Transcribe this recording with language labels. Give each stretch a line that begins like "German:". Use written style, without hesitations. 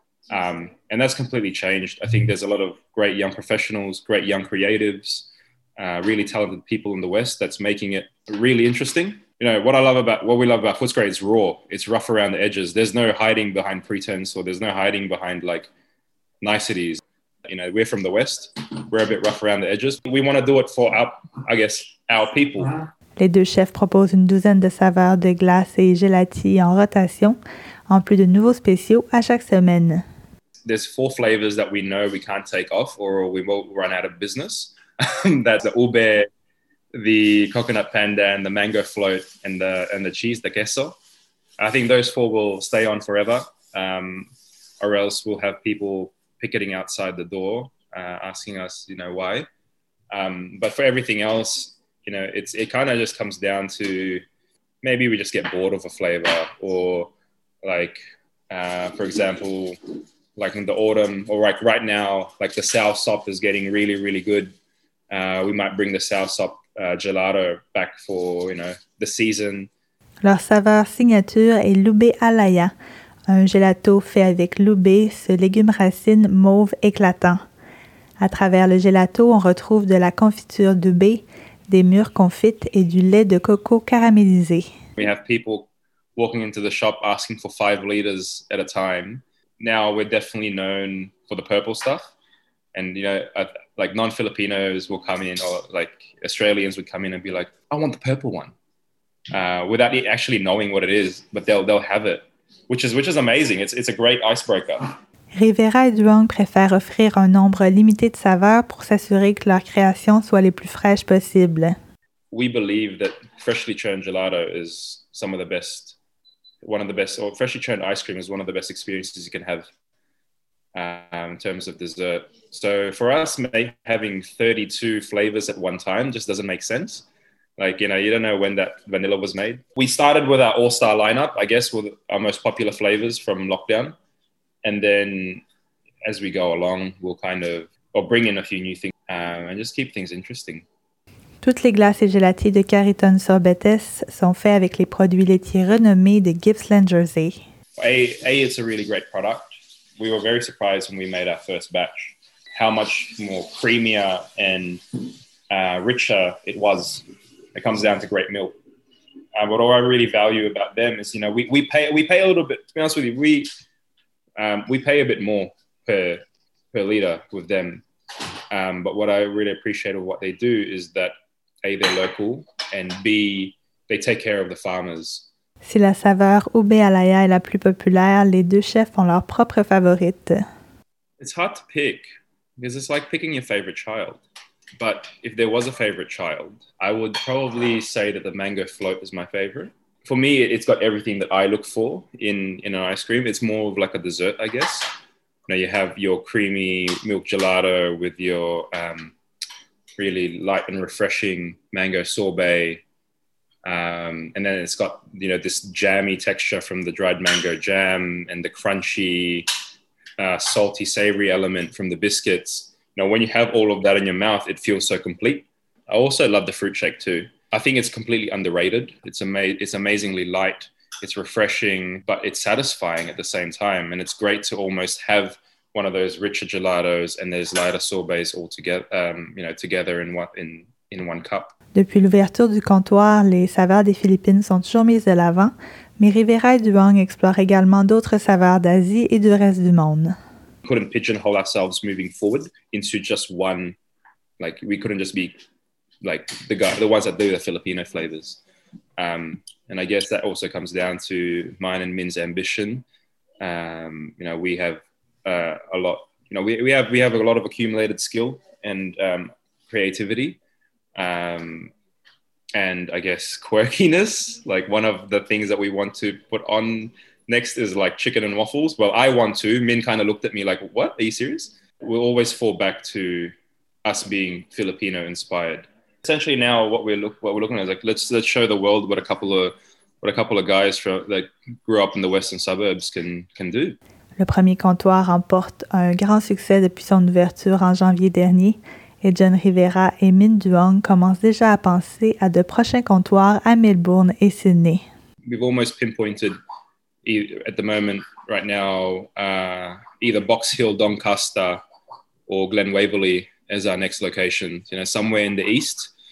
English: And that's completely changed. I think there's a lot of great young professionals, great young creatives, really talented people in the West that's making it really interesting. You know, what we love about Footscray is raw. It's rough around the edges. There's no hiding behind pretense or there's no hiding behind like niceties. You know, we're from the West. We're a bit rough around the edges. We want to do it for our people.
French: Les deux chefs proposent une douzaine de saveurs de glace et gelati en rotation, en plus de nouveaux spéciaux à chaque semaine.
English: There's four flavors that we know we can't take off or we will run out of business. That's the ube, the coconut pandan, the mango float, and the cheese, the queso. I think those four will stay on forever, or else we'll have people picketing outside the door, asking us, you know, why. But for everything else, you know, it kind of just comes down to maybe we just get bored of a flavor or like, for example, like in the autumn or like right now, like the sour sop is getting really, really good. We might bring the sour sop gelato back for, you know, the season.
French: Leur saveur signature est l'ube alaya, un gelato fait avec l'ube, ce légume racine mauve éclatant. À travers le gelato, on retrouve de la confiture d'ube, des mûres confites et du lait de coco caramélisé.
English: We have people walking into the shop asking for 5 liters at a time. Now we're definitely known for the purple stuff. And, you know, like non-Filipinos will come in or like Australians would come in and be like, I want the purple one. Without actually knowing what it is, but they'll have it. Which is amazing. It's a great icebreaker.
French: Rivera et Duong préfèrent offrir un nombre limité de saveurs pour s'assurer que leurs créations soient les plus fraîches possibles.
English: We believe that freshly churned gelato is some of the best, one of the best, or freshly churned ice cream is one of the best experiences you can have in terms of dessert. So for us, having 32 flavors at one time just doesn't make sense. Like, you know, you don't know when that vanilla was made. We started with our all-star lineup, I guess, with our most popular flavors from lockdown. And then as we go along, we'll kind of bring in a few new things and just keep things interesting.
French: Toutes les glaces et gelatés de Cariton Sorbetes sont faits avec les produits laitiers renommés de Gippsland Jersey.
English: A, it's a really great product. We were very surprised when we made our first batch, how much more creamier and richer it was. It comes down to great milk. But all I really value about them is, you know, we pay a little bit, to be honest with you, we pay a bit more per liter with them. But what I really appreciate of what they do is that A, they're local, and B, they take care of the farmers.
French: Si la saveur ube alaya est la plus populaire, les deux chefs ont leur propre favorite.
English: It's hard to pick, because it's like picking your favorite child. But if there was a favorite child, I would probably say that the mango float is my favorite. For me, it's got everything that I look for in an ice cream. It's more of like a dessert, I guess. You know, you have your creamy milk gelato with your really light and refreshing mango sorbet. And then it's got, you know, this jammy texture from the dried mango jam and the crunchy, salty, savory element from the biscuits. Now, when you have all of that in your mouth, it feels so complete. I also love the fruit shake too. I think it's completely underrated. It's amazingly light. It's refreshing, but it's satisfying at the same time. And it's great to almost have one of those richer gelatos and those lighter sorbets all together, you know, together in what in one cup.
French: Depuis l'ouverture du comptoir, les saveurs des Philippines sont toujours mises de l'avant, mais Rivera et Duong explorent également d'autres saveurs d'Asie et du reste du monde.
English: We couldn't pigeonhole ourselves moving forward into just one, like we couldn't just be like the ones that do the Filipino flavors. And I guess that also comes down to mine and Min's ambition. You know, we have a lot, you know, we have a lot of accumulated skill and creativity. And I guess quirkiness, like one of the things that we want to put on next is like chicken and waffles. Well, I want to. Min kind of looked at me like, what? Are you serious? We'll always fall back to us being Filipino inspired. Essentially now what we're looking at is like, let's show the world what a couple of guys from that grew up in the western suburbs can do.
French: Le premier comptoir remporte un grand succès depuis son ouverture en janvier dernier. Et John Rivera et Min Duong commencent déjà à penser à de prochains comptoirs à Melbourne et Sydney.
English: We've almost pinpointed at the moment right now either Box Hill, Doncaster or Glen Waverley as our next location, you know, somewhere in the east.